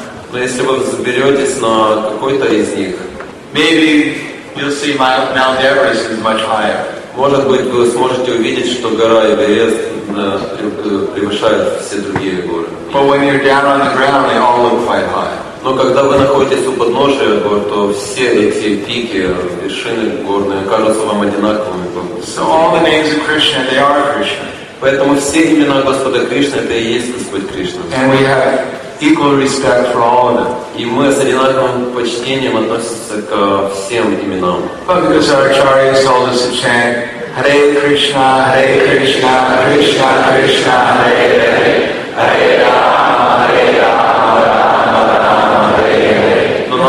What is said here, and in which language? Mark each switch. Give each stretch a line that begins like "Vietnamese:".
Russian: Но если вы заберетесь на какой-то из них,
English: maybe you'll see Mount Everest is much higher.
Russian: Может быть, вы сможете увидеть, что гора Эверест превышает все другие горы.
English: But when you're down on the ground, they all look quite high.
Russian: Но когда вы находитесь у подножия гор, то все эти пики, вершины горные, кажутся вам одинаковыми.
English: So all the names of Krishna, they are Krishna.
Russian: Поэтому все имена Господа Кришны, это и есть Господь Кришна.
English: And we have equal respect for all of them.
Russian: И мы с одинаковым почтением относимся к всем именам.
English: But because our acharyas told us to chant Hare Krishna, Hare Krishna, Krishna Krishna, Hare Hare, Hare Rama, Hare Rama, Rama Rama, Hare Hare.